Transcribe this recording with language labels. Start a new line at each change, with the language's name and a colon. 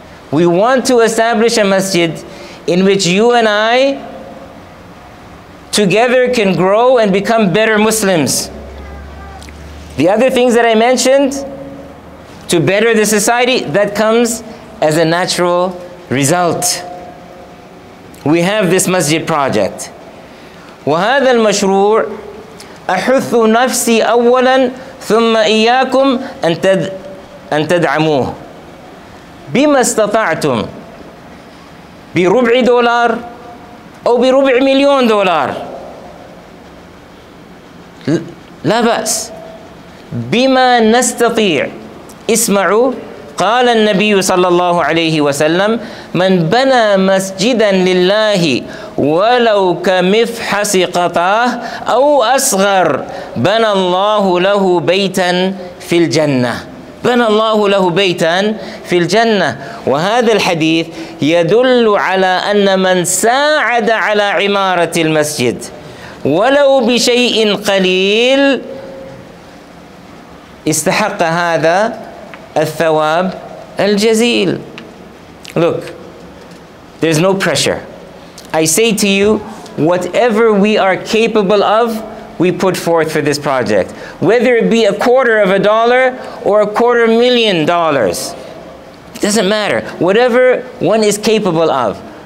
English: We want to establish a masjid in which you and I together can grow and become better Muslims. The other things that I mentioned, to better the society, that comes as a natural result. We have this masjid project.
Arabic: وهذا المشروع أحث نفسي أولا ثم إياكم أن تدعموه بما استطعتم بربع دولار أو بربع مليون دولار لا بأس بما نستطيع. اسمعوا قال النبي صلى الله عليه وسلم من بنى مسجدا لله ولو كمفحص قطاه أو أصغر بنى الله له بيتا في الجنة بنى الله له بيتا في الجنة. وهذا الحديث يدل على أن من ساعد على عمارة المسجد ولو بشيء قليل استحق هذا الثواب الجزيل.
English: Look, there's no pressure. I say to you, whatever we are capable of, we put forth for this project. Whether it be a quarter of a dollar or a quarter million dollars, it doesn't matter. Whatever one is capable of.